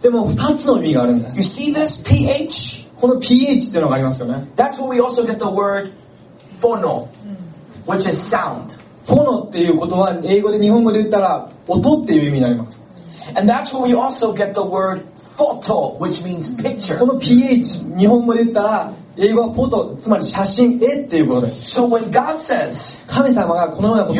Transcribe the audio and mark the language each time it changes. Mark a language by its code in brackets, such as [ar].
[ja] でも二つの意味があるんです。 [en] You see this pH? [ja] この pH というのがありますよね。 [en] That's where we also get the word phono, which is sound. [ja] フォノっていう言葉、英語で日本語で言ったら音っていう意味になります。 [en] And that's where we also get the word photo, which means picture. [ja] この PH、日本語で言ったら英語はフォト、つまり写真、絵っていうことです。 [en] So when God says, [ja] 神様がこのようなこと